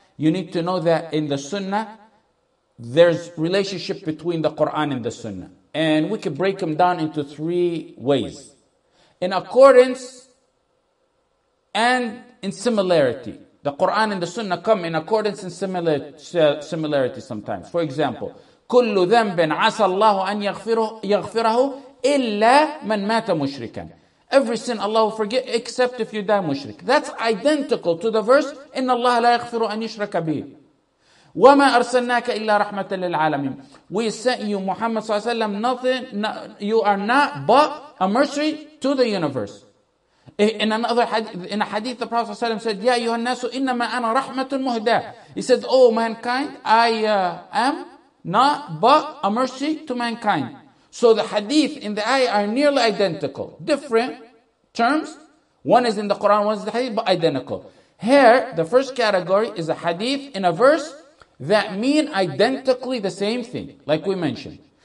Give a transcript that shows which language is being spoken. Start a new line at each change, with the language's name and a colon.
English: You need to know that in the Sunnah, there's relationship between the Quran and the Sunnah, and we can break them down into three ways: in accordance and in similarity. The Quran and the Sunnah come in accordance and similarity sometimes. For example,
Arabic: كل ذنب عسى الله أن يغفره إلا من مات مشركا.
English: Every sin Allah will forget except if you die mushrik. That's identical to the verse,
Arabic: إِنَّ اللَّهَ لَا يَغْفِرُ أَنْ يُشْرَكَ بِهِ وَمَا أَرْسَلْنَاكَ إِلَّا رَحْمَةً لِلْعَالَمِينَ.
English: We sent you, Muhammad
Arabic: صلى الله عليه وسلم,
English: nothing, you are not but a mercy to the universe. In another hadith, in a hadith, the Prophet
Arabic: صلى الله عليه وسلم
English: said,
Arabic: يَا أَيُّهَا النَّاسُ إِنَّمَا أَنَا رَحْمَةٌ مُهْدَى.
English: He said, oh mankind, I am not but a mercy to mankind. So the hadith in the ayah are nearly identical. Different terms. One is in the Quran, one is in the hadith, but identical. Here, the first category is a hadith in a verse that mean identically the same thing, like we mentioned.